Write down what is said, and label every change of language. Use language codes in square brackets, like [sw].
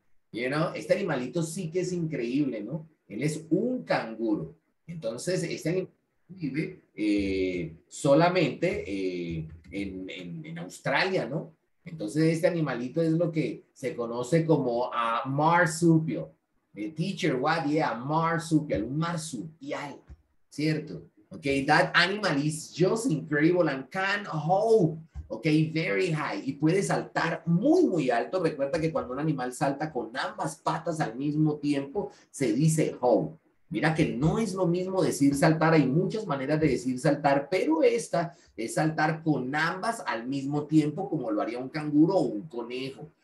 [es] You know, este animalito sí que es increíble, ¿no? Él es un canguro. Entonces, este animal vive solamente en Australia, ¿no? Entonces, este animalito es lo que se conoce como a marsupio. [en] The teacher, what? Yeah, a marsupial, [es] un marsupial, ¿cierto? [en] Okay, that animal is just incredible and can hold, okay, very high. [es] Y puede saltar muy, muy alto. Recuerda que cuando un animal salta con ambas patas al mismo tiempo, se dice hold. Mira que no es lo mismo decir saltar, hay muchas maneras de decir saltar, pero esta es saltar con ambas al mismo tiempo, como lo haría un canguro o un conejo.